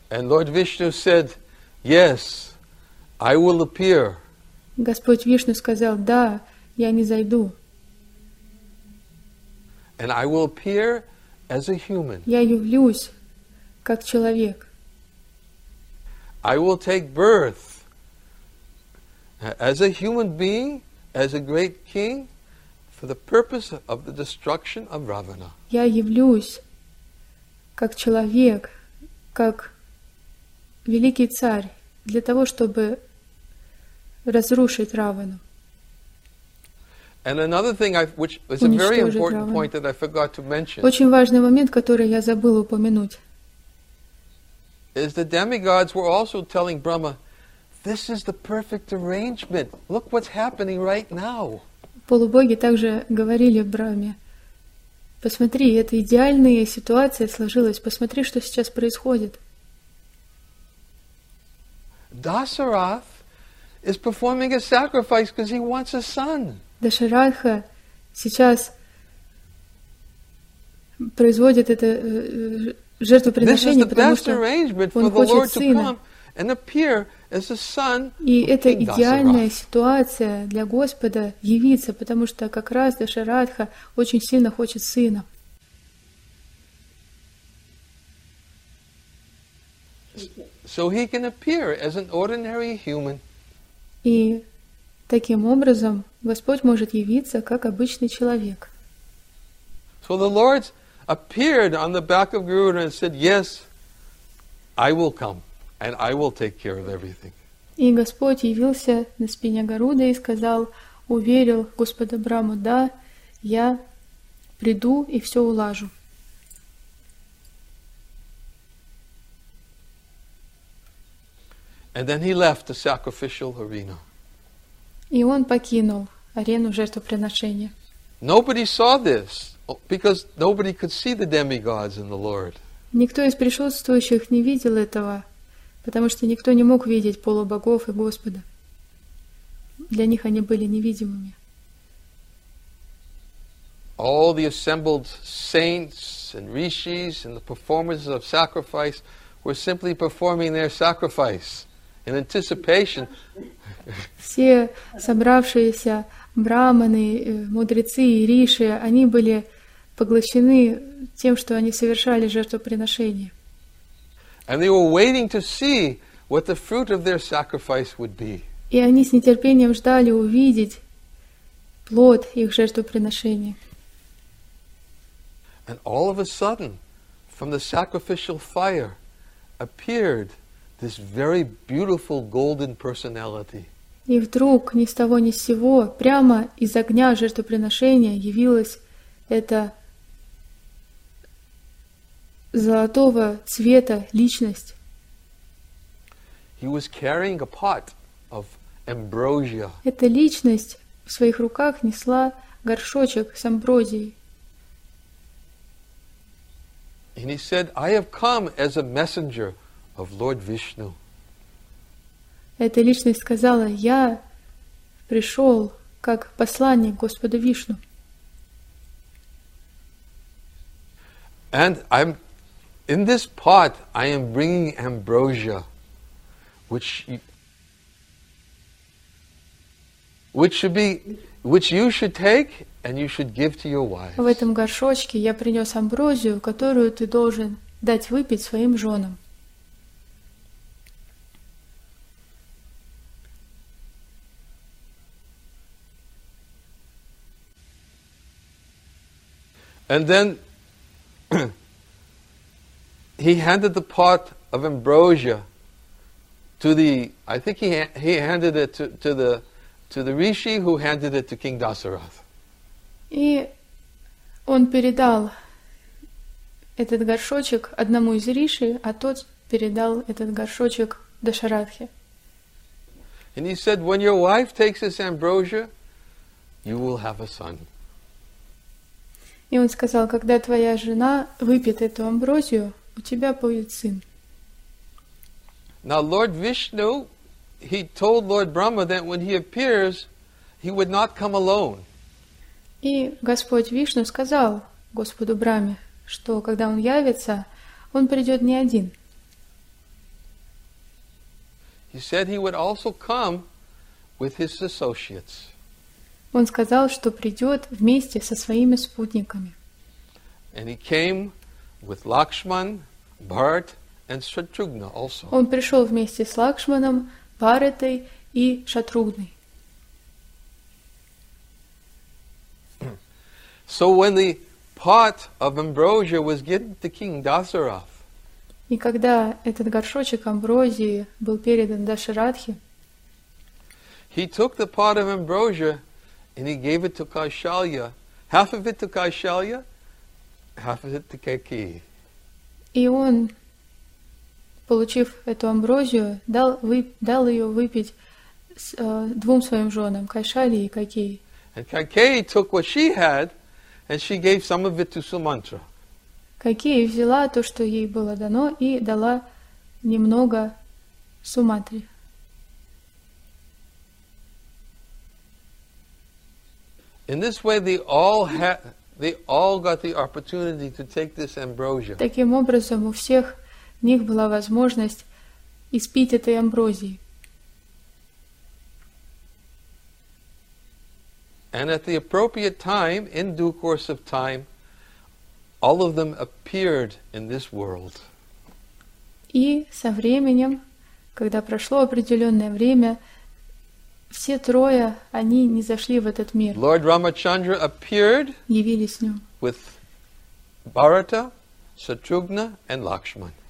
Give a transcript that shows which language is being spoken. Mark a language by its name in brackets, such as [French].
[English] And Lord Vishnu said, "Yes, I will appear." [Russian] Господь Вишну сказал, да, я не зайду. [English] And I will appear as a human. [Russian] Я явлюсь как человек. [English] I will take birth as a human being, as a great king, for the purpose of the destruction of Ravana. [Russian] Я явлюсь как человек, как великий царь, для того, чтобы разрушить Равану. [English] And another thing which is a very important point that I forgot to mention. [Russian] Очень важный момент, который я забыл упомянуть. [English] Is the demigods were also telling Brahma, this is the perfect arrangement. Look what's happening right now. [Russian] Полубоги также говорили Брахме, посмотри, это идеальная ситуация сложилась, посмотри, что сейчас происходит. [English] Dasarath is performing a sacrifice because he wants a son. [Russian] Дашаратха сейчас производит это жертвоприношение, потому что он хочет сына. [English] And appear as a son. [Russian] И это идеальная ситуация для Господа явиться, потому что как раз Дашаратха очень сильно хочет сына. [English] So he can appear as an ordinary human. [Russian] И таким образом Господь может явиться как обычный человек. [English] So the Lord appeared on the back of Garuda and said, "Yes, I will come." And I will take care of everything. [Russian] И Господь явился на спине Гаруды и сказал, уверил Господа Браму, да, я приду и все улажу. [English] And then he left the sacrificial arena. [Russian] И он покинул арену жертвоприношения. [English] Nobody saw this, because nobody could see the demigods and the Lord. [Russian] Никто из присутствующих не видел этого. Потому что никто не мог видеть полубогов и Господа. Для них они были невидимыми. [English] All the assembled saints and rishis and the performers of sacrifice were simply performing their sacrifice in anticipation. [Russian] Все собравшиеся браманы, мудрецы и риши, они были поглощены тем, что они совершали жертвоприношение. [English] And they were waiting to see what the fruit of their sacrifice would be. [Russian] И они с нетерпением ждали увидеть плод их жертвоприношения. [English] And all of a sudden, from the sacrificial fire, appeared this very beautiful golden personality. [Russian] И вдруг, ни с того ни с сего, прямо из огня жертвоприношения явилось это золотого цвета личность. [English] He was carrying a pot of ambrosia. [Russian] Эта личность в своих руках несла горшочек с амброзией. [English] And he said, "I have come as a messenger of Lord Vishnu." [Russian] Эта личность сказала, "Я пришел как посланник Господа Вишну." [English] And I'm in this pot, I am bringing ambrosia, which you should take and you should give to your wives. [Russian] В этом горшочке я принес амброзию, которую ты должен дать выпить своим женам. [English] And then he handed the pot of ambrosia to the, I think he handed it to the rishi who handed it to King Dasarath. [Russian] И он передал этот горшочек одному из риши, а тот передал этот горшочек Дашаратхе. [English] And he said, "When your wife takes this ambrosia, you will have a son." [Russian] И он сказал, когда твоя жена выпьет эту амброзию, у тебя будет сын. [English] Now Lord Vishnu, he told Lord Brahma that when he appears, he would not come alone. [Russian] И Господь Вишну сказал Господу Браме, что когда он явится, он придет не один. [English] He said he would also come with his associates. [Russian] Он сказал, что придет вместе со своими спутниками. [English] And he came with Lakshman, Bharat and Shatrughna also. [Russian] Он пришел вместе с Лакшманом, Бхаратой и Шатругной. [English] So when the pot of ambrosia was given to King Dasarath, [Russian] и когда этот горшочек амброзии был передан Дашаратхе, [English] he took the pot of ambrosia and he gave it to Kaushalya, half of it to Kaushalya, half of it to Kaikeyi. [Russian] И он, получив эту амброзию, дал ее выпить двум своим женам, Кайшали и Кайкеи. [English] And Кайкеи took what she had, and she gave some of it to Сумантра. [Russian] Кайкеи взяла то, что ей было дано, и дала немного Сумантре. [English] In this way, they all got the opportunity to take this ambrosia. [Russian] Таким образом, у всех них была возможность испить этой амброзии. [English] And at the appropriate time, in due course of time, all of them appeared in this world. [Russian] И со временем, когда прошло определенное время, все трое, они не зашли в этот мир. [English] Lord Ramachandra appeared with Bharata, Shatrughna and Lakshman.